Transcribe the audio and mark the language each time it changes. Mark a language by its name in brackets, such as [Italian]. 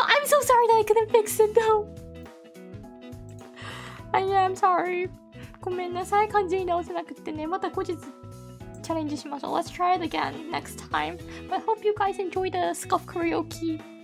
[English] I'm so sorry that I couldn't fix it though! I am sorry! [Japanese] ごめんなさい、感じに直せなくてね。また後日チャレンジしましょう。 [English] Let's try it again next time! But I hope you guys enjoy the scuff karaoke!